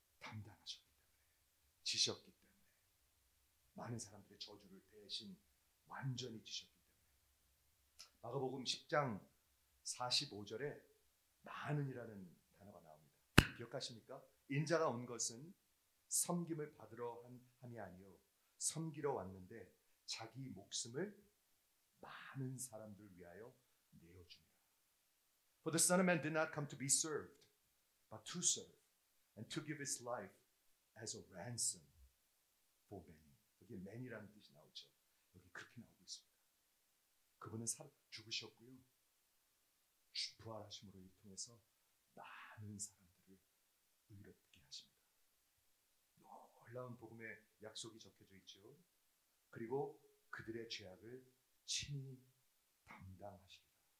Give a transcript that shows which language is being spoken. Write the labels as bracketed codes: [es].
[ko] 담당하셨기 때문에, 지셨기 때문에, 많은 사람들의 저주를 대신 완전히 지셨기 때문에, 마가복음 10장 45절에 나는이라는 단어가 나옵니다. 기억하십니까? 인자가 온 것은 섬김을 받으러 함이 아니요 섬기러 왔는데 자기 목숨을 많은 사람들 위하여 내어줍니다. [en] For the Son of Man did not come to be served, but to serve, and to give his life as a ransom for many. [ko] 여기 many라는 뜻이 나오죠. 여기 그렇게 나오고 있습니다. 그분은 죽으셨고요. 부활하심으로 통해서 많은 사람들을 의롭게 하십니다. 놀라운 복음의 약속이 적혀져 있죠. 그리고 그들의 죄악을 친히 담당하십니다.